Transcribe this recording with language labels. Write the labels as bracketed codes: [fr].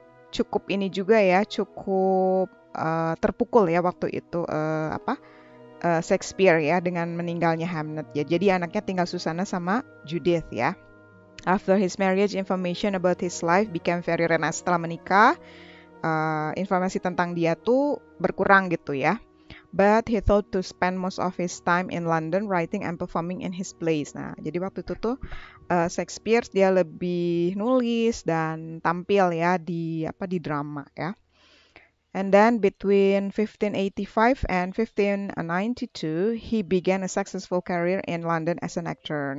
[id] Cukup ini juga ya, cukup terpukul ya waktu itu Shakespeare ya dengan meninggalnya Hamnet ya. Jadi anaknya tinggal Susanna sama Judith ya. [en] After his marriage, information about his life became very rare. [id] Setelah menikah, informasi tentang dia tuh berkurang gitu ya. [en] But he thought to spend most of his time in London writing and performing in his plays. [id] Nah, jadi waktu itu tuh Shakespeare dia lebih nulis dan tampil ya di apa, di drama ya. [en] And then between 1585 and 1592, he began a successful career in London as an actor.